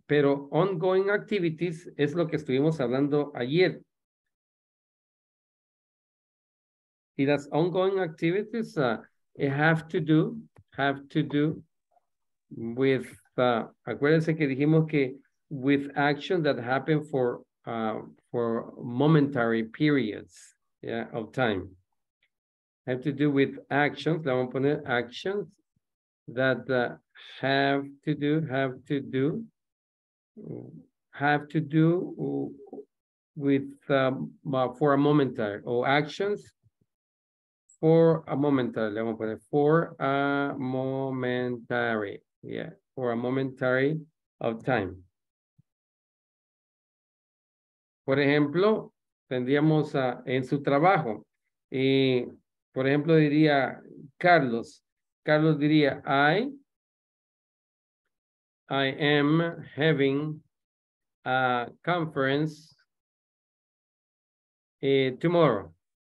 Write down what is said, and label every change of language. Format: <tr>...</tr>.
<es>Pero ongoing activities es lo que estuvimos hablando ayer.</es> <en>It has ongoing activities. It have to do with,</en> <es>acuérdense que dijimos que</es> <en>with action that happen for momentary periods, yeah, of time. Have to do with actions.</en> <es>Vamos a poner</es> <en>actions that for a momentary of time.</en> <es>Por ejemplo, tendríamos en su trabajo, por ejemplo, diría Carlos diría,</es> <en>I am having a conference tomorrow.</en>